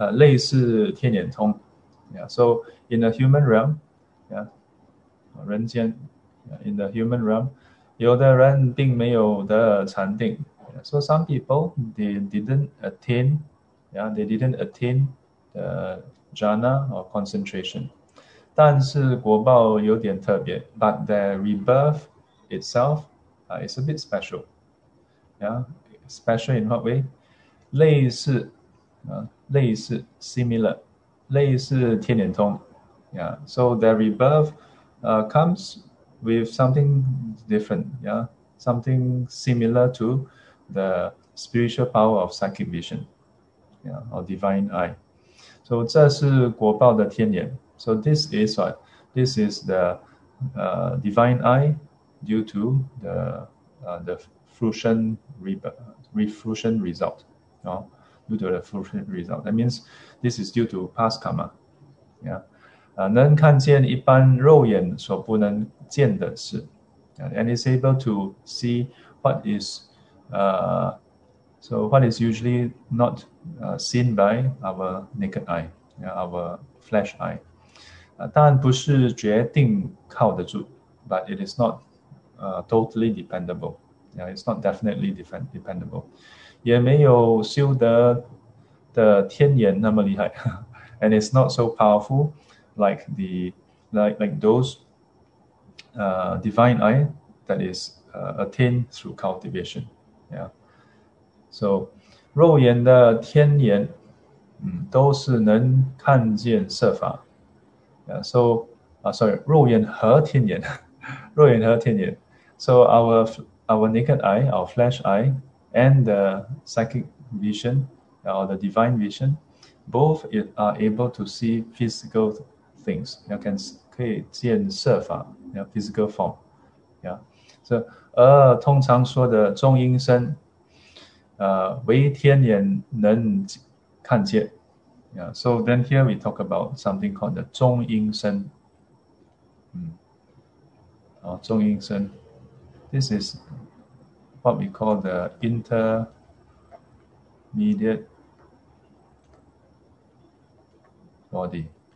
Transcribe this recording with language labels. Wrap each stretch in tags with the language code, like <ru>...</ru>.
<zh>人间有的人并没有得禅定，但是果报有点特别，类似天眼通。</zh> <en>Yeah, so in the human realm,</en> <zh>人间,</zh> <en>in the human realm，</en> <zh>有的人并没有的禅定。</zh> <en>So some people they didn't attain, yeah, they didn't attain the jhana or concentration.</en> <zh>但是果报有点特别，</zh> <en>but the rebirth itself, is a bit special. Yeah, special in what way?</en> <zh>类似，类似 similar，类似天眼通。</zh> <en>Yeah, so the rebirth comes with something different, yeah, something similar to the spiritual power of psychic vision, yeah, or divine eye. So</en> <zh>这是果报的天眼。</zh> <en>So this is what? This is the divine eye due to the fruition rebirth, refruition result, no? Due to the fruition result. That means this is due to past karma, yeah.</en> <zh>能看见一般肉眼所不能见的事，</zh> <en>and is able to see what is so what is usually not seen by our naked eye, our flesh eye.</en> <zh>但不是决定靠得住，</zh> <en>but it is not totally dependable. Yeah, it's not definitely dependable.</en> <zh>也没有修得的天眼那么厉害</zh> <en>，and it's not so powerful. Like the like those divine eye that is attained through cultivation, yeah.</en> <zh>So, 肉眼的天眼，都是能看见色法。</zh> <en>Yeah, so, sorry,</en> <zh>肉眼和天眼，肉眼和天眼。</zh> <en>So our naked eye, our flesh eye, and the psychic vision or the divine vision, both are able to see physical things, you can</en> <zh>可以见色法，</zh> <en>physical form, yeah.</en> <zh>So 通常说的中阴身，唯天眼能看见，yeah.</zh> <en>So then here we talk about something called the 中阴身，中阴身，this is what we call the intermediate body.</en>